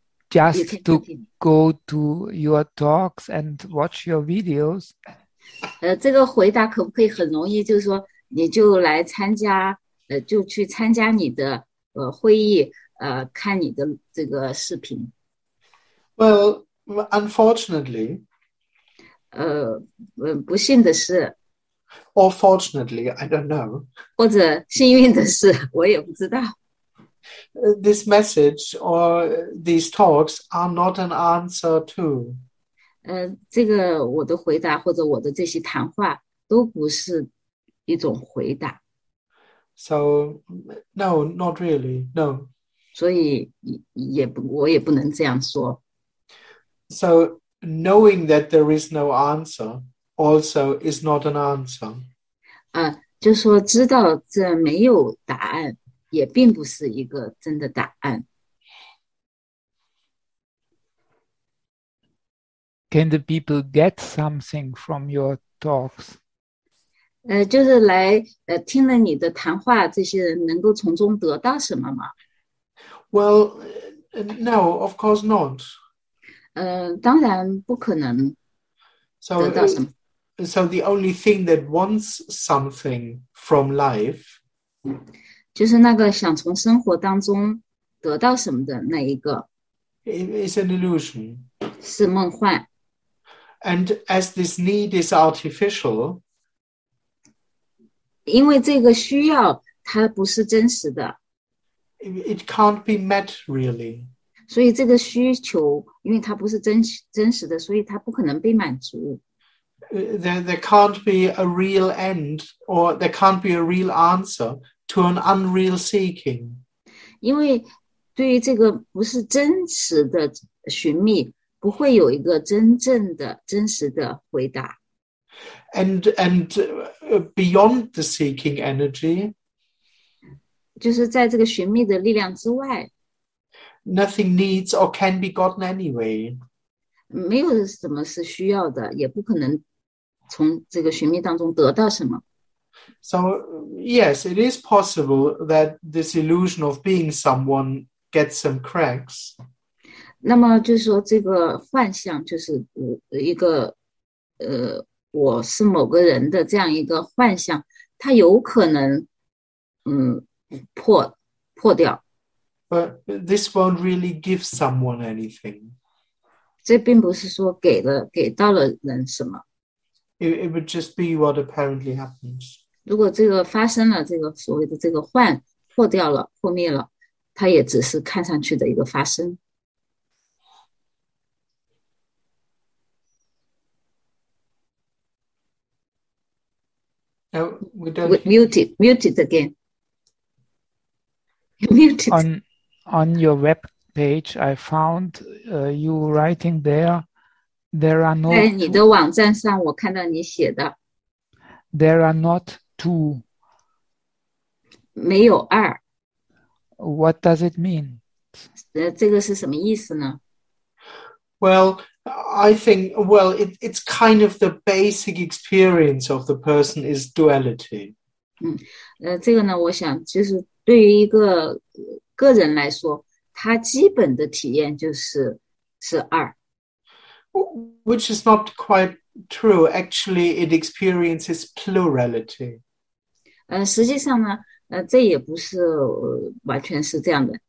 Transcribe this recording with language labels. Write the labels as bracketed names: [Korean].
[English] Just to go to your talks and watch your videos. [Chinese] 这个回答可不可以很容易，就是说你就来参加，就去参加你的会议，看你的这个视频。 [English] Well, unfortunately, [Chinese] 不幸的是 [English] or fortunately, I don't know. [Chinese] 或者幸运的是，我也不知道。 [English] This message or these talks are not an answer to. [Chinese] 这个我的回答或者我的这些谈话都不是一种回答。 [English] So, no, not really, no. [Chinese] 所以也不，我也不能这样说。 [English] So, knowing that there is no answer also is not an answer. [Chinese] 就说知道这没有答案。也并不是一个真的答案。 [English] Can the people get something from your talks? [Chinese] 就是来听了你的谈话，这些人能够从中得到什么吗？ [English] Well, no, of course not. [Chinese] 当然不可能得到什么。 [English] So the only thing that wants something from life. [Chinese] 就是那个想从生活当中得到什么的那一个 [English] ，is an illusion， [Chinese] 是梦幻。 [English] And as this need is artificial， [Chinese] 因为这个需要它不是真实的 [English] ，it can't be met really。 [Chinese] 所以这个需求，因为它不是真实的，所以它不可能被满足。 [English] There can't be a real end， or there can't be a real answer。 To an unreal seeking. [Chinese] 因为对于这个不是真实的寻觅，不会有一个真正的真实的回答。 [English] And beyond the seeking energy, [Chinese] 就是在这个寻觅的力量之外， [English] nothing needs or can be gotten anyway. [Chinese] 没有什么是需要的，也不可能从这个寻觅当中得到什么。 [English] So, yes, it is possible that this illusion of being someone gets some cracks. [Chinese] 那么就是说这个幻象就是一个我是某个人的这样一个幻象，它有可能破掉。 [English] But this won't really give someone anything. [Chinese] 这并不是说给到了人什么。 [English] It would just be what apparently happens. [Chinese] 如果这个发生了，这个所谓的这个幻破掉了、破灭了，它也只是看上去的一个发生。 [English] No, we don't. Muted again. Muted. On your web page, I found you writing there. There are no. [Chinese] 在你的网站上，我看到你写的。 [English] There are not. Two. [Chinese] 没有二。 [English] What does it mean? [Chinese] 这个是什么意思呢？ [English] Well, I think, well, it's kind of the basic experience of the person is duality. [Chinese] 这个呢，我想就是对于一个个人来说，他基本的体验就是二。 [English] Which is not quite true. Actually, it experiences plurality. [Chinese] 实际上呢，这也不是完全是这样的。